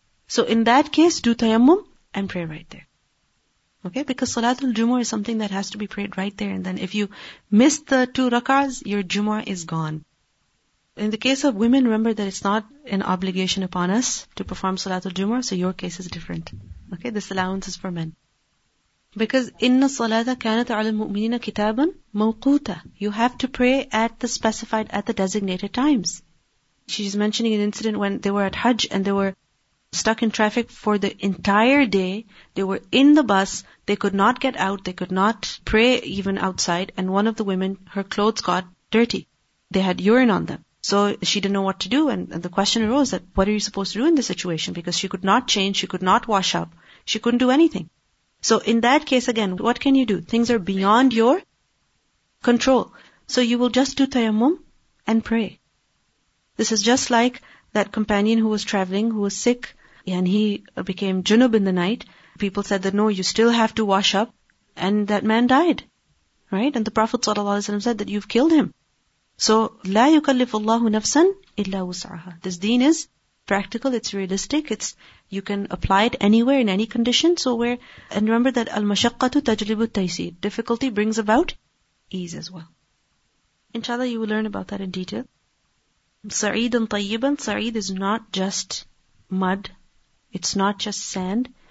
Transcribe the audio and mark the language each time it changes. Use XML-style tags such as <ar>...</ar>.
<en>So in that case, do tayammum and pray right there. Okay? Because Salatul Jumu'ah is something that has to be prayed right there. And then if you miss the two rak'ahs, your Jumu'ah is gone. In the case of women, remember that it's not an obligation upon us to perform Salatul Jumu'ah. So your case is different. Okay? This allowance is for men.</en> <ar>Because إِنَّ الصَّلَاةَ كَانَتْ عَلَى الْمُؤْمِنِينَ كِتَابًا مَوْقُوتًا.</ar> <en>You have to pray at the specified, at the designated times. She's mentioning an incident when they were at Hajj and they were stuck in traffic for the entire day. They were in the bus, they could not get out, they could not pray even outside, and one of the women, her clothes got dirty. They had urine on them. So she didn't know what to do, and the question arose that what are you supposed to do in this situation? Because she could not change, she could not wash up, she couldn't do anything. So in that case, again, what can you do? Things are beyond your control. So you will just do tayammum and pray. This is just like that companion who was traveling, who was sick, and he became junub in the night. People said that, no, you still have to wash up. And that man died, right? And the Prophet ﷺ said that you've killed him.</en> <ar>So, لا يكلف الله نفسا إلا وسعها.</ar> <en>This deen is practical, it's realistic, it's you can apply it anywhere, in any condition. So where, and remember that</en> <ar>al-mashaqqatu tajlibu taysir,</ar> <en>difficulty brings about ease as well. Inshallah, you will learn about that in detail. Sa'eedan tayyiban. Sa'eed is not just mud. It's not just sand.</en>